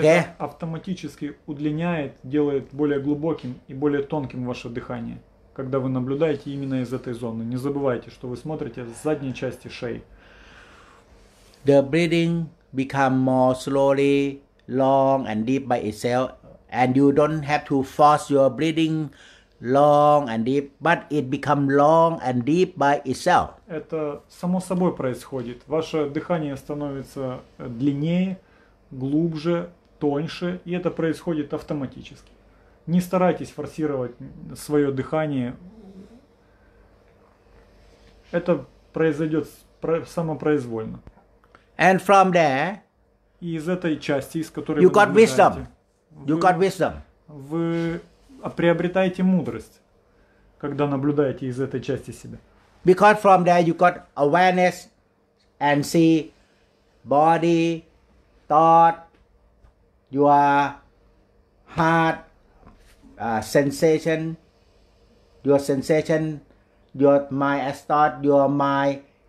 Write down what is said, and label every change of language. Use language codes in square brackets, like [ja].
[ru] Это автоматически удлиняет, делает более глубоким и более тонким ваше дыхание. Когда вы наблюдаете именно из этой зоны, не забывайте, что вы смотрите с задней части шеи. [en] The breathing become more slowly, long and deep by itself, and you don't have to force your breathing long and deep, but it become long and deep by itself. [ru] Это само собой происходит. Ваше дыхание становится длиннее, глубже, тоньше, и это происходит автоматически. Не старайтесь форсировать свое дыхание. Это произойдет самопроизвольно. [en] And from there, [ru] и из этой части, из которой [en] you [ru] вы [en] got wisdom. You got wisdom. [ru] Вы приобретаете мудрость, когда наблюдаете из этой части себя. [en] Because from there you got awareness and see body, thought, your heart. Sensation, your sensation, your mind as thought, your mind